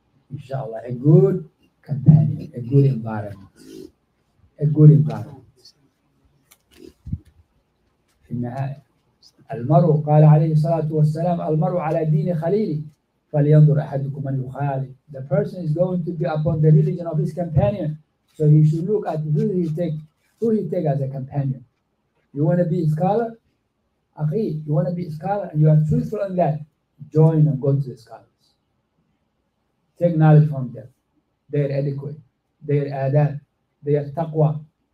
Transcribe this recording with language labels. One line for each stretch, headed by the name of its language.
English: Inshallah, a good companion, a good environment. A good environment. In the
Arabic: المرء قال عليه الصلاة والسلام المرء على دين خليله فَلْيَنْظُرْ أَحَدُكُمْ مَنْ يُخَالِفُ.
English: The person is going to be upon the religion of his companion. So he should look at who he take as a companion. You want to be a scholar? أخي, you want to be a scholar and you are truthful on that? Join and go to the scholars. Take knowledge from them. They are adequate. They are adab. They are taqwa.